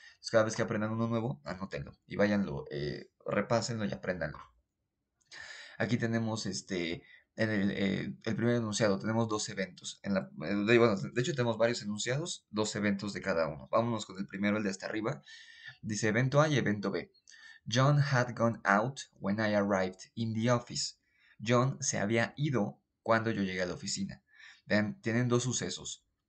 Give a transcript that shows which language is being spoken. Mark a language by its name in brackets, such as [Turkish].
[Spanish] Entonces, cada vez que aprendan uno nuevo, anótenlo y váyanlo, repásenlo y apréndanlo. Aquí tenemos el primer enunciado, tenemos dos eventos. Bueno, de hecho tenemos varios enunciados, dos eventos de cada uno. Vámonos con el primero, el de hasta arriba. Dice evento A y evento B. [English] John had gone out when I arrived in the office. [Spanish] John se había ido cuando yo llegué a la oficina. Vean, tienen dos sucesos.